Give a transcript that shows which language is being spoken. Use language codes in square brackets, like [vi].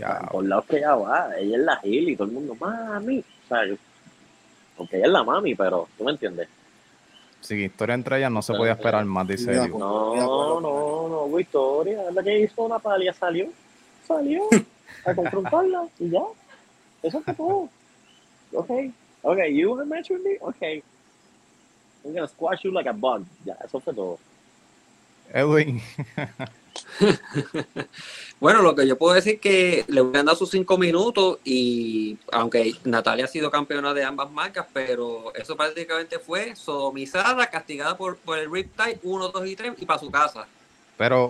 [es] Por lado que ella va, ella es la heel y todo el mundo, mami. O sea, porque ella es la mami, pero tú me entiendes. Sí, historia entre ellas no se podía esperar más, dice Diego. No, historia. La que hizo una palia salió a confrontarla y ya. Eso fue todo. [en] Ok, you want a match with me? Ok. I'm gonna squash you like a bug. [es] Ya, eso fue todo. Edwin. Bueno, lo que yo puedo decir es que le voy a dar sus 5 minutos y aunque Natalia ha sido campeona de ambas marcas, pero eso prácticamente fue sodomizada, castigada por el Riptide 1, 2 y 3 y para su casa. Pero